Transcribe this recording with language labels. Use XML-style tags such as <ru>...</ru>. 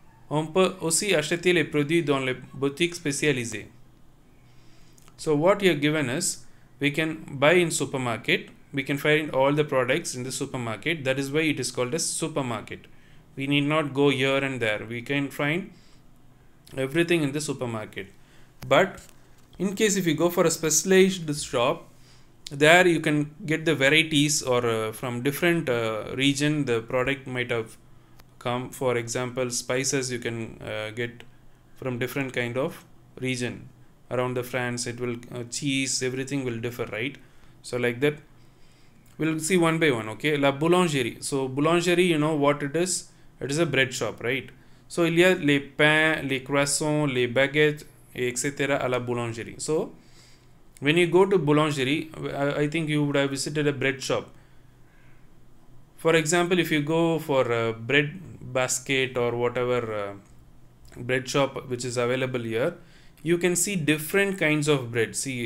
<fr>On peut aussi acheter les produits dans les boutiques spécialisées.</fr> <en>So what you have given is, we can buy in supermarket. We can find all the products in the supermarket. That is why it is called a supermarket. We need not go here and there. We can find everything in the supermarket. But in case if you go for a specialized shop, there you can get the varieties or from different region the product might have come. For example, spices you can get from different kind of region around the France. It will cheese, everything will differ, right? So like that, we'll see one by one. Okay, la boulangerie. So boulangerie, you know what it is? It is a bread shop, right?</en> <fr>So il y a les pains, les croissants, les baguettes, etc. à la boulangerie.</fr> <en>So when you go to boulangerie, I think you would have visited a bread shop. For example, if you go for a bread basket or whatever bread shop which is available here, you can see different kinds of bread.</en>